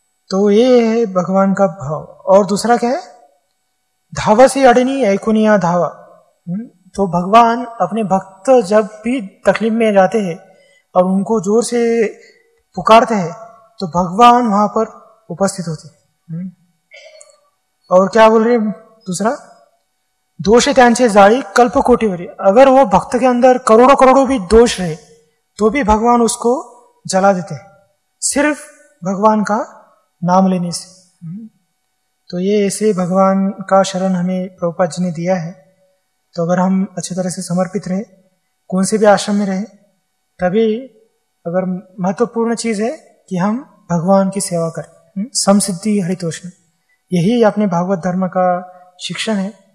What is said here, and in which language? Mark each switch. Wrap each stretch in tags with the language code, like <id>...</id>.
<hi>तो ये है भगवान का भाव। और दूसरा क्या है?</hi> <mr>धावसी अड़नी ऐकुनिया धावा।</mr> <hi>तो भगवान अपने भक्त जब भी तकलीफ में जाते हैं और उनको जोर से पुकारते हैं तो भगवान वहां पर उपस्थित होते हैं। और क्या बोल रहे हैं दूसरा?</hi> <mr>दोष त्यांचे जाळी कल्प कोटीवरी।</mr> <hi>अगर वो भक्त के अंदर करोड़ों करोड़ों भी दोष रहे तो भी भगवान उसको जला देते हैं सिर्फ भगवान का नाम लेने से। तो ये ऐसे भगवान का शरण हमें प्रभुपाद जी ने दिया है। तो अगर हम अच्छी तरह से समर्पित रहे, कौन से भी आश्रम में रहे, तभी अगर महत्वपूर्ण चीज है कि हम भगवान की सेवा करें, समसिद्धि हरितोषण, यही अपने भागवत धर्म का शिक्षण है।</hi>